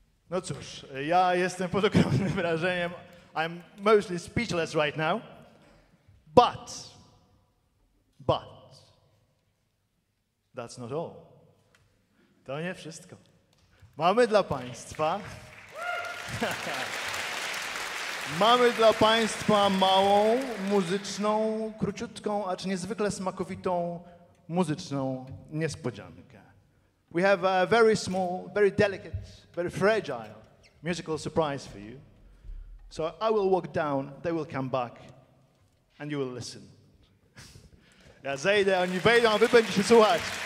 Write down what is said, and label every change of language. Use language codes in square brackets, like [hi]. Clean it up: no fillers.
[pl] No cóż, ja jestem pod ogromnym wrażeniem. [en] I'm mostly speechless right now, but, that's not all. [pl] To nie wszystko. Mamy dla Państwa... Mamy dla Państwa małą, muzyczną, króciutką, acz niezwykle smakowitą, muzyczną niespodziankę. [en] We have a very small, very delicate, very fragile musical surprise for you. So I will walk down, they will come back, and you will listen. [pl] Ja zejdę, oni wejdą, a wy będziecie słuchać.